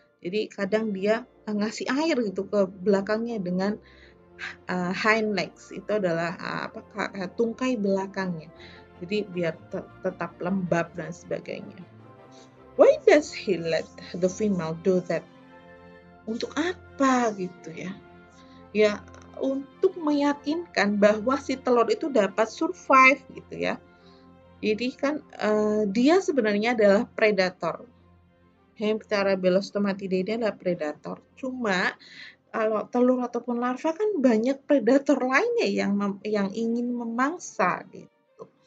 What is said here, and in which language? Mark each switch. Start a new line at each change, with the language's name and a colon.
Indonesian: Jadi kadang dia ngasih air gitu ke belakangnya dengan hind legs, itu adalah tungkai belakangnya, jadi biar tetap lembab dan sebagainya.
English: Why does he let the female do that?
Indonesian: Untuk apa gitu ya? Ya untuk meyakinkan bahwa si telur itu dapat survive gitu ya. Jadi kan dia sebenarnya adalah predator. Hemiptera belostomatidae ini adalah predator. Cuma kalau telur ataupun larva kan banyak predator lainnya yang ingin memangsa gitu.